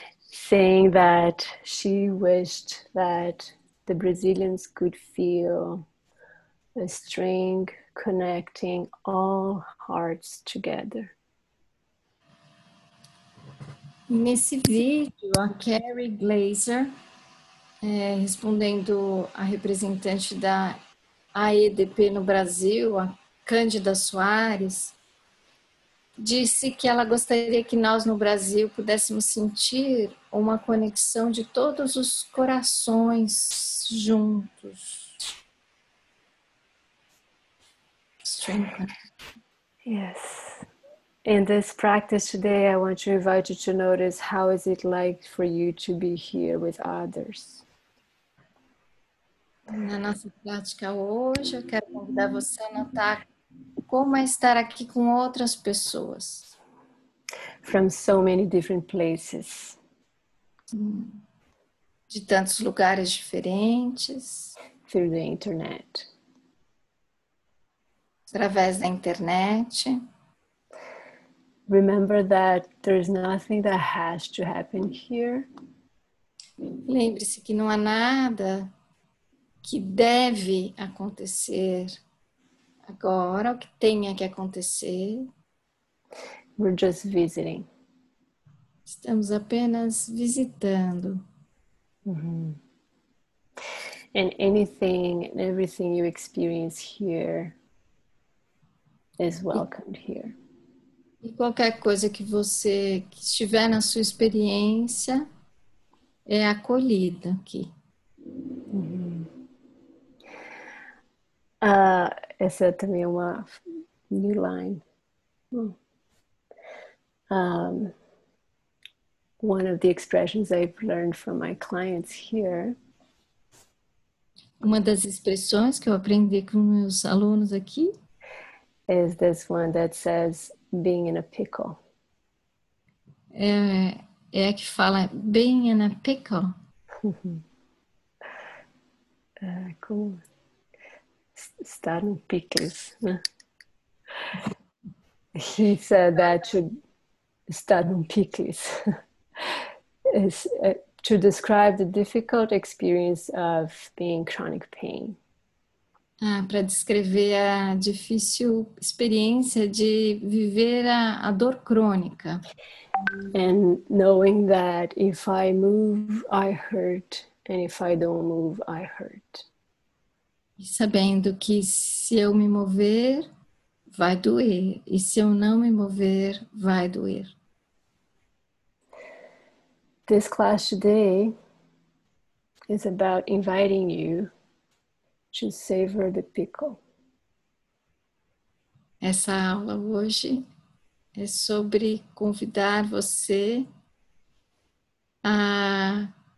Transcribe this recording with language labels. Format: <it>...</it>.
<en>saying that she wished that the Brazilians could feel a string connecting all hearts together.</en> <pt>Nesse vídeo, a Carrie Glazer, respondendo a representante da AEDP no Brasil, a Cândida Soares, disse que ela gostaria que nós no Brasil pudéssemos sentir uma conexão de todos os corações juntos.</pt> <en>Yes. In this practice today, I want to invite you to notice how is it like for you to be here with others.</en> <pt>Na nossa prática hoje, eu quero convidar você a notar como é estar aqui com outras pessoas.</pt> <en>From so many different places.</en> <pt>De tantos lugares diferentes.</pt> <en>Through the internet.</en> <pt>Através da internet.</pt> <en>Remember that there is nothing that has to happen here.</en> <pt>Lembre-se que não há nada que deve acontecer agora, ou que tenha que acontecer.</pt> <en>We're just visiting.</en> <pt>Estamos apenas visitando.</pt> <en>And anything and everything you experience here is welcomed here.</en> <pt>E qualquer coisa que você que estiver na sua experiência é acolhida aqui. Essa é também uma</pt> <en>new line. One of the expressions I've learned from my clients here.</en> <pt>Uma das expressões que eu aprendi com meus alunos aqui.</pt> <en>Is this one that says being in a pickle.</en> <pt>É que fala</pt> <en>being in a pickle.</en> <pt>Como estar no pickles.</pt> <en>He said that to</en> <pt>estar no pickles.</pt> <en>To describe the difficult experience of being chronic pain.</en> <pt>Ah, para descrever a difícil experiência de viver a dor crônica.</pt> <en>And knowing that if I move, I hurt, and if I don't move, I hurt.</en> <pt>E sabendo que se eu me mover, vai doer, e se eu não me mover, vai doer.</pt> <en>This class today is about inviting you to savor the pickle.</en> <pt>Essa aula hoje é sobre convidar você a</pt>